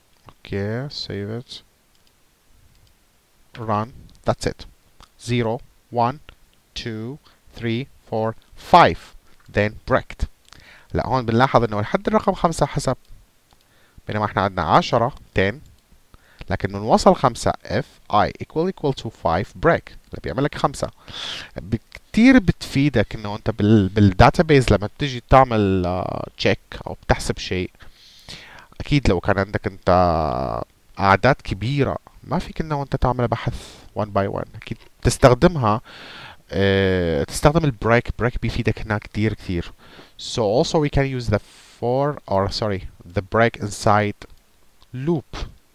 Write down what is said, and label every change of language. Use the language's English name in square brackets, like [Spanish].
[English] Okay, save it, run, that's it, 0, 1, 2, 3, 4, 5, then breaked. [Arabic] هلا هون بنلاحظ انه لحد الرقم 5 حسب، بينما احنا عندنا 10, 10, لكن من وصل 5 [English] if i equal to 5 break، [Arabic] اللي بيعمل لك 5. كتير بتفيدك انه انت بالداتابيز لما بتجي تعمل check او بتحسب شيء، أكيد لو كان عندك أنت أعداد كبيرة ما فيك إنه أنت تعمل بحث [English] one by one، [Arabic] أكيد تستخدمها تستخدم البريك. بريك بيفيدك هنا كتير كتير. [English] So also we can use the for or sorry the break inside loop.